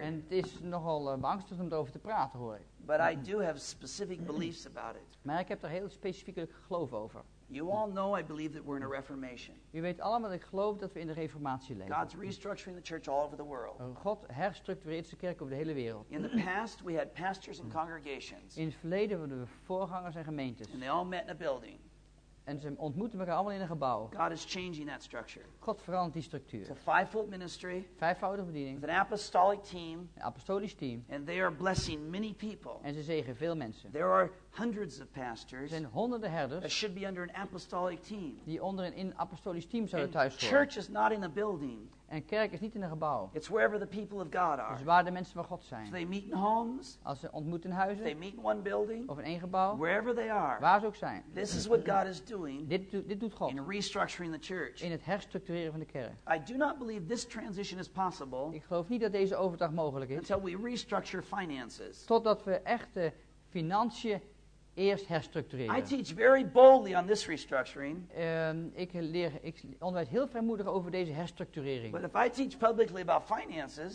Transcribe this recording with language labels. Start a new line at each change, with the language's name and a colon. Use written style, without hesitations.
Dutch: En het is nogal beangstigend om erover te praten, hoor ik.
English: But I do have specific beliefs about it.
Dutch: Maar ik heb er heel specifieke geloof over.
English: You all know I believe that we're in a reformation.
Dutch: U weet allemaal dat ik geloof dat we in de reformatie leven.
English: God's restructuring the church all over the world.
Dutch: God herstructureert de kerk over de hele wereld.
English: In the past we had pastors and congregations.
Dutch: In het verleden hadden we voorgangers en gemeentes.
English: And they all met in a building.
Dutch: En ze ontmoeten elkaar allemaal in een gebouw.
English: God is changing that structure.
Dutch: God verandert die structuur.
English: It's a five-fold ministry.
Dutch: Vijfvoudige bediening.
English: With an apostolic team.
Dutch: Een apostolisch team.
English: And they are blessing many people.
Dutch: En ze zegen veel mensen.
English: There are hundreds of pastors.
Dutch: Er zijn honderden herders.
English: That should be under an apostolic team.
Dutch: Die onder een apostolisch team zouden
English: and
Dutch: thuis horen.
English: Church is not in a building.
Dutch: En kerk is niet in een gebouw.
English: It's wherever the people of God are.
Dutch: Dus waar de mensen van God zijn.
English: So they meet in homes.
Dutch: Als ze ontmoeten in huizen.
English: They meet in one building.
Dutch: Of in één gebouw.
English: Wherever they are.
Dutch: Waar ze ook zijn.
English: This is what God is doing.
Dutch: Dit doet God.
English: In restructuring the church.
Dutch: In het herstructureren van de kerk.
English: I do not believe this transition is possible.
Dutch: Ik geloof niet dat deze overdracht mogelijk is.
English: Until we restructure finances.
Dutch: Totdat we echte financiën eerst herstructureren.
English: I teach very boldly on this restructuring.
Dutch: Ik onderwijs heel vrijmoedig over deze herstructurering.
English: But if I teach publicly about finances,